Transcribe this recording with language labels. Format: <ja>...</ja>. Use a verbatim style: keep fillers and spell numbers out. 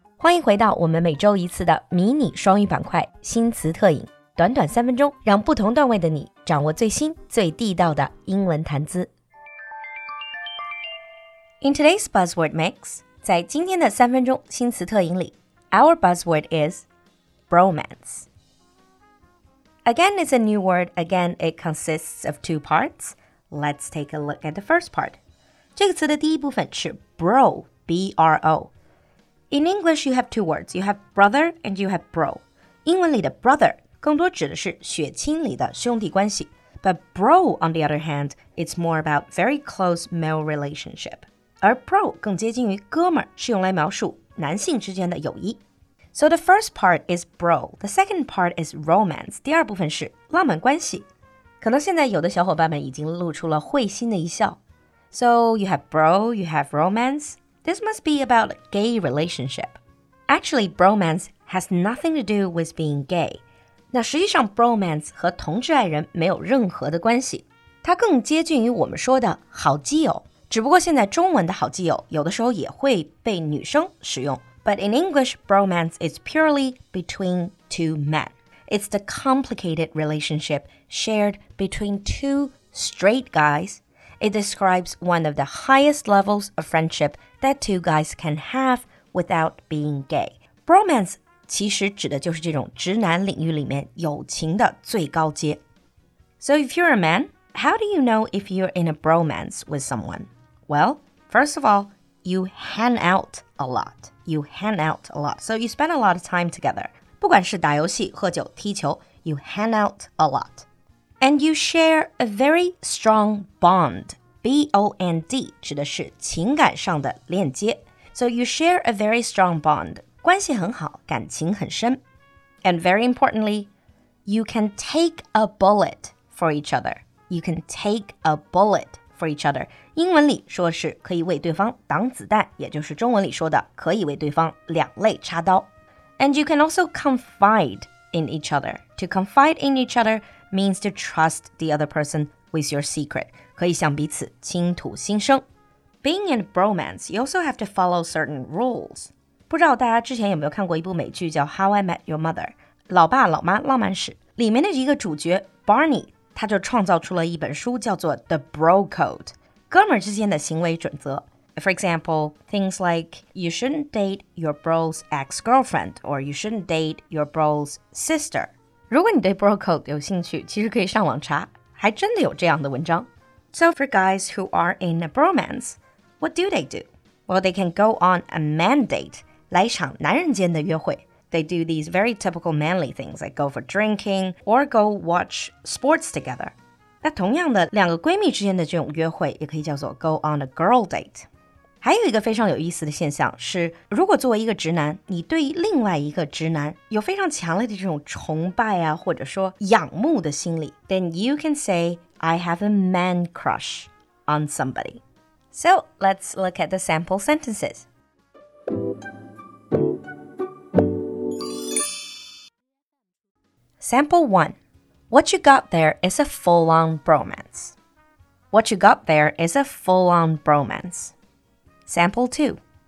<zh>欢迎回到我们每周一次的迷你双语板块新词特饮，短短三分钟，让不同段位的你掌握最新最地道的英文谈资。</zh> <en>In today's Buzzword Mix,</en> <zh>在今天的三分钟新词特饮里</zh> <en>our buzzword is bromance. Again, it's a new word. Again, it consists of two parts. Let's take a look at the first part.</en> <zh>这个词的第一部分是 bro, B R O.</zh> <en>In English, you have two words. You have brother and you have bro.</en> <zh>英文里的 brother 更多指的是血亲里的兄弟关系。</zh> <en>But bro, on the other hand, it's more about very close male relationship.</en> <zh>而 bro 更接近于哥们儿，是用来描述男性之间的友谊。</zh> <en>So the first part is bro. The second part is romance.</en> <zh>第二部分是浪漫关系。可能现在有的小伙伴们已经露出了会心的一笑。</zh> <en>So, you have bro, you have romance. This must be about a gay relationship. Actually, bromance has nothing to do with being gay.</en> <zh>那实际上 bromance 和同志爱人没有任何的关系。它更接近于我们说的好基友。只不过现在中文的好基友有的时候也会被女生使用。</zh> <en>But in English, bromance is purely between two men. It's the complicated relationship shared between two straight guys. It describes one of the highest levels of friendship that two guys can have without being gay.</en> <zh>Bromance 其实指的就是这种直男领域里面友情的最高阶。</zh> <en>So if you're a man, how do you know if you're in a bromance with someone? Well, first of all, you hang out a lot. You hang out a lot. So you spend a lot of time together.</en> <zh>不管是打游戏、喝酒、踢球</zh> <en>you hang out a lot. And you share a very strong bond.</en> <zh>B O N D 指的是情感上的链接。</zh> <en>So you share a very strong bond.</en> <zh>关系很好，感情很深。</zh> <en>And very importantly, you can take a bullet for each other. You can take a bullet for each other.</en> <zh>英文里说是可以为对方挡子弹，也就是中文里说的可以为对方两肋插刀。</zh> <en>And you can also confide in each other. To confide in each other,means to trust the other person with your secret.</en> <zh>可以向彼此倾吐心声。</zh> <en>Being in bromance, you also have to follow certain rules.</en> <zh>不知道大家之前有没有看过一部美剧叫《How I Met Your Mother》老爸老妈浪漫史里面的一个主角 Barney 他就创造出了一本书叫做 The Bro Code 哥们之间的行为准则。</zh> <en>For example, things like you shouldn't date your bro's ex-girlfriend or you shouldn't date your bro's sister.</en> <zh>如果你对 bro code 有兴趣，其实可以上网查，还真的有这样的文章。</zh> <en>So for guys who are in a bromance, what do they do? Well, they can go on a man date,</en> <zh>来一场男人间的约会。</zh> <en>They do these very typical manly things, like go for drinking or go watch sports together.</en> <zh>那同样的，两个闺蜜之间的这种约会也可以叫做</zh> <en>go on a girl date。</en> <zh>还有一个非常有意思的现象是，如果作为一个直男，你对另外一个直男有非常强烈的这种崇拜啊，或者说仰慕的心理</zh> <en>then you can say, I have a man crush on somebody. So, let's look at the sample sentences. Sample one. What you got there is a full-on bromance. What you got there is a full-on bromance. Sample two.</en>